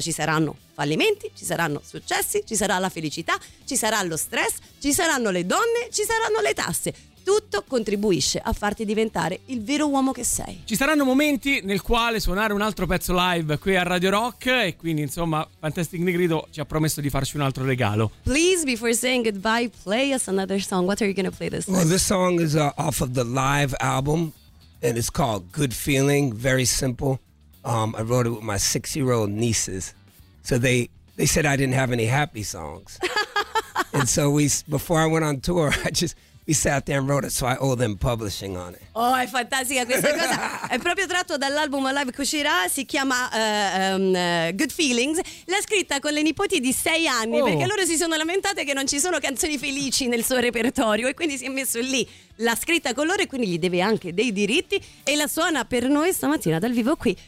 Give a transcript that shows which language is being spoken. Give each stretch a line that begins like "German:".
Italian: Ci saranno fallimenti, ci saranno successi, ci sarà la felicità, ci sarà lo stress, ci saranno le donne, ci saranno le tasse. Tutto contribuisce a farti diventare il vero uomo che sei. Ci saranno momenti nel quale suonare un altro pezzo live qui a Radio Rock, e quindi insomma Fantastic Negrito ci ha promesso di farci un altro regalo.
English: Please, before saying goodbye, play us another song. What are you going to play this time? Well, this song is off of the live album and it's called Good Feeling, very simple. I wrote it with my 6-year-old nieces. So they said I didn't have any happy songs. And so before I went on tour, we sat there and wrote it, so I owe them publishing on it.
Italian: Oh, è fantastica questa cosa. È proprio tratto dall'album live che uscirà, si chiama Good Feelings. L'ha scritta con le nipoti di 6 anni, perché loro si sono lamentate che non ci sono canzoni felici nel suo repertorio, e quindi si è messo lì. L'ha scritta con loro e quindi gli deve anche dei diritti, e la suona per noi stamattina dal vivo qui.